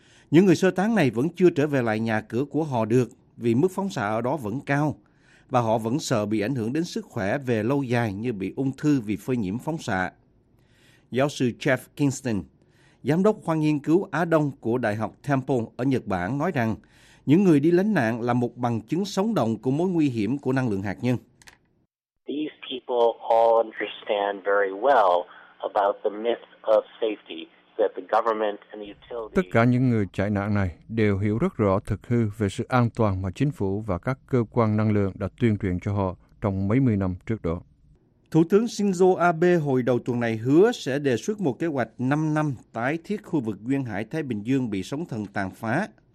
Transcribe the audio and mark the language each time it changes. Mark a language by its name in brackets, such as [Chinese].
[Vietnamese] Những người sơ tán này vẫn chưa trở về lại nhà cửa của họ được vì mức phóng xạ ở đó vẫn cao và họ vẫn sợ bị ảnh hưởng đến sức khỏe về lâu dài như bị ung thư vì phơi nhiễm phóng xạ. Giáo sư Jeff Kingston, Giám đốc khoa nghiên cứu Á Đông của Đại học Temple ở Nhật Bản nói rằng những người đi lánh nạn là một bằng chứng sống động của mối nguy hiểm của năng lượng hạt nhân. [English] These people all understand very well about the myth of safety that the government and the utility. [Vietnamese] Tất cả những người chạy nạn này đều hiểu rất rõ thực hư về sự an toàn mà chính phủ và các cơ quan năng lượng đã tuyên truyền cho họ trong mấy mươi năm trước đó. Thủ tướng Shinzo Abe hồi đầu tuần này hứa sẽ đề xuất một kế hoạch 5 năm tái thiết khu vực duyên hải Thái Bình Dương bị sóng thần tàn phá.